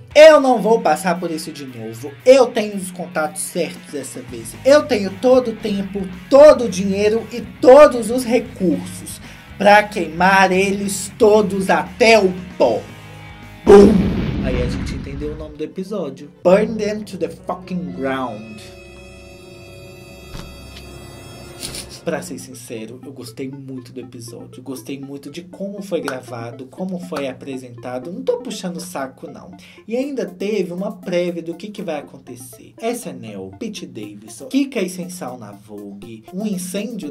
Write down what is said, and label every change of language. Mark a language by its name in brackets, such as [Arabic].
[Portuguese] Eu não vou passar por isso de novo, eu tenho os contatos certos dessa vez. Eu tenho todo o tempo, todo o dinheiro e todos os recursos pra queimar eles todos até o pó. Bum! Aí a gente entendeu o nome do episódio. [English] Burn them to the fucking ground. [Portuguese] Pra ser sincero, eu gostei muito do episódio. Gostei muito de como foi gravado, como foi apresentado. Não tô puxando o saco, não. E ainda teve uma prévia do que vai acontecer. SNL, Pete Davidson, Kika e Sensal na Vogue. Um incêndio?